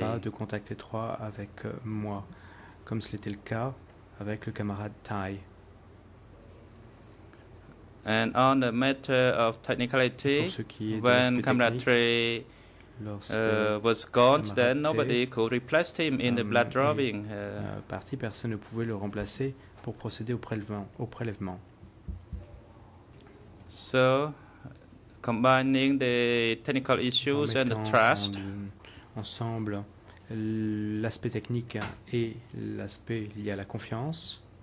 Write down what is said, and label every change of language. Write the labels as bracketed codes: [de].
[fr] Pas de contact étroit avec moi, comme c'était le cas avec le camarade Thai. [en] And on the matter of technicality, when Comrade Thai was gone, then nobody could replace him in the blood drawing. [fr] Parti, personne ne pouvait le remplacer pour procéder au prélèvement. [en] So, combining the technical issues and the trust, [fr] ensemble l'aspect technique et l'aspect lié à la confiance.